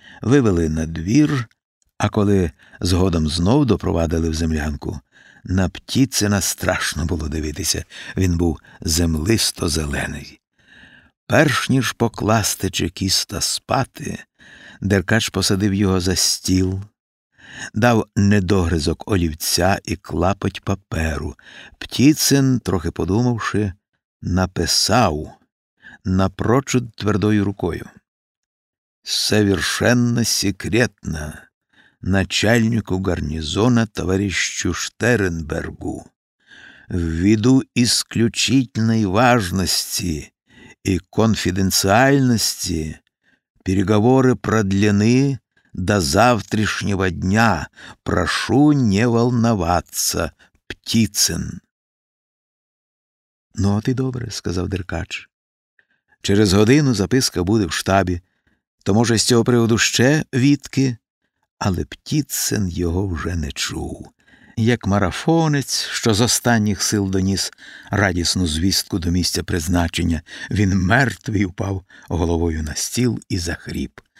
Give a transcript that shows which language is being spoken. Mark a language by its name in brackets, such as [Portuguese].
[Ukrainian] Вивели на двір, а коли згодом знов допровадили в землянку, на Птицина страшно було дивитися. Він був землисто-зелений. Перш ніж покласти чекіста спати, Деркач посадив його за стіл, дав недогризок олівця і клапоть паперу. Птицин, трохи подумавши, написав напрочуд твердою рукою: [Russian] «Совершенно секретно начальнику гарнизона товарищу Штернбергу, ввиду исключительной важности и конфиденциальности, переговоры продлены до завтрашнего дня. Прошу не волноваться, Птицин». [Ukrainian] «Ну, а ти добре», – сказав Деркач. «Через годину записка буде в штабі. То, може, з цього приводу ще відки?» Але Птицин його вже не чув. Як марафонець, що з останніх сил доніс радісну звістку до місця призначення, він мертвий упав головою на стіл і захріп.